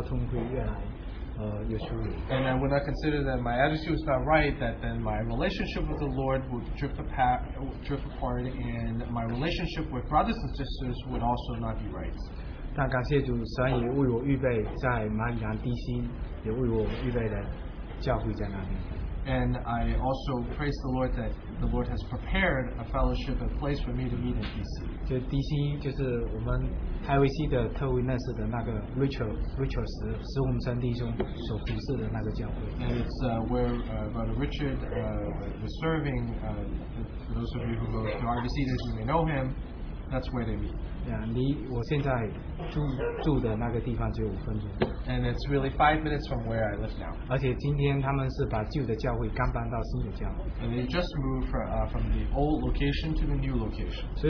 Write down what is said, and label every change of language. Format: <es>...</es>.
<zh>就是和主的关系会越来越远，和弟兄姐妹的交通会越来越疏远。</zh> <en>And I would not consider that my attitude is not right, that then my relationship with the Lord would drift apart, and my relationship with brothers and sisters would also not be right.</en> <zh>但感谢主，神也为我预备在马里兰 DC， 也为我预备了教会在那边。</zh> <en>And I also praise the Lord that the Lord has prepared a fellowship, a place for me to meet in DC.</en> <zh>就 DC 就是我们台维西的特维内斯的那个 Richard 石洪生弟兄所服侍的那个教会。</zh> <en>And it's where Brother Richard was serving. For those of you who go to RBC, you may know him. That's where they meet.</en> <zh>Yeah, 离我现在住的那个地方只有5分钟。</zh> <en>And it's really 5 minutes from where I live now.</en> <zh>而且今天他们是把旧的教会刚搬到新的教会。</zh> <en>And they just moved from the old location to the new location.</en>